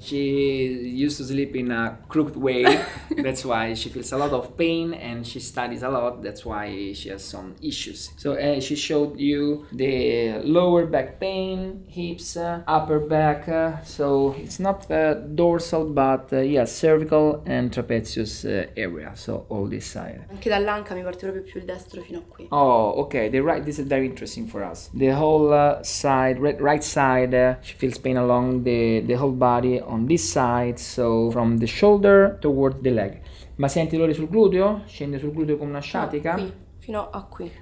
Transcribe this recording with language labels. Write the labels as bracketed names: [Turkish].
[English] She used to sleep in a crooked way, that's why she feels a lot of pain and she studies a lot, that's why she has some issues. So she showed you the lower back pain, hips, upper back. So it's not dorsal, but cervical and trapezius area, so all this side. [Italian] Anche dall'anca mi parte proprio più il destro fino a qui. [English] Oh, okay, the right, this is very interesting for us. The whole side, right side, she feels pain along the whole body on this side, so from the shoulder towards the leg. [Italian] Ma senti dolore sul gluteo? Scende sul gluteo con una Fino a qui, sciatica? fino a qui.